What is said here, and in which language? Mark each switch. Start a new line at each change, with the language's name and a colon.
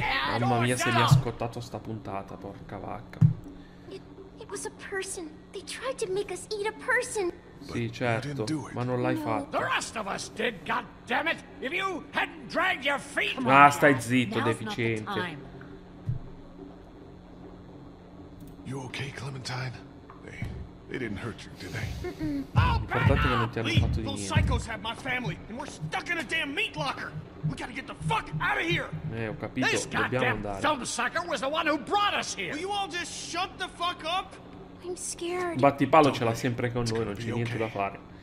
Italian: Mamma mia, se mi ha scottato sta puntata, porca vacca.
English: Was a person. They tried to make us eat a person.
Italian: Sì, certo, ma non l'hai fatto.
English: The rest of us did, god damn it. If you hadn't dragged your feet.
Italian: Ma stai zitto, deficiente.
English: You okay, Clementine? They didn't hurt you, did they?
Italian: Ricordate che non ti hanno fatto di niente.
English: Those psychos have my family and we're stuck in a damn meat locker. We gotta get the fuck out of here.
Italian: Ho capito, dobbiamo andare.
English: This goddamn thumbsucker was the one who brought us here. Will you all just shut the fuck up? I'm scared.
Italian: Battipalo ce l'ha sempre con noi, non c'è niente da fare.